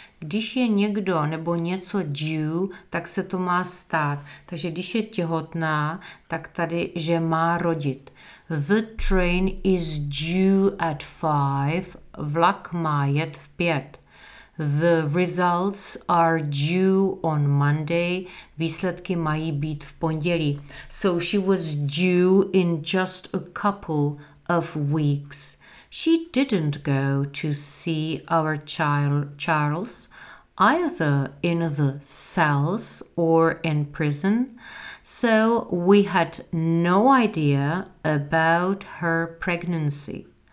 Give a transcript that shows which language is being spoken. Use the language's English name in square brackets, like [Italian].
[Czech] Když je někdo nebo něco due, tak se to má stát. Takže když je těhotná, tak tady, že má rodit. [English] The train is due at 5, [Czech] vlak má jet v 5. [English] The results are due on Monday, [Czech] výsledky mají být v pondělí. [English] So she was due in just a couple of weeks. She didn't go to see our Charles, either in the cells or in prison, so we had no idea about her pregnancy.